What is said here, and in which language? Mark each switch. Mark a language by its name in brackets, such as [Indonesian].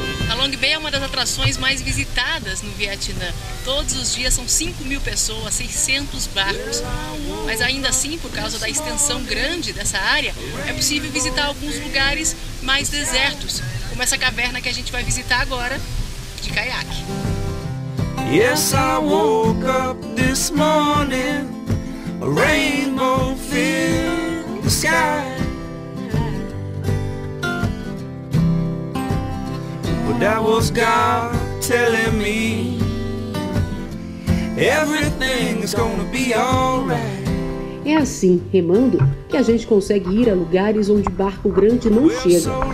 [Portuguese] A Long Bay é uma das atrações mais visitadas no Vietnã. Todos os dias são 5 mil pessoas, 600 barcos. Mas ainda assim, por causa da extensão grande dessa área, é possível visitar alguns lugares mais desertos, como essa caverna que a gente vai visitar agora, de caiaque. [English] Yes, I woke up this morning, a rainbow filled the sky. But that was God telling me everything's gonna be alright. [Portuguese] É assim, remando, que a gente consegue ir a lugares onde barco grande não chega.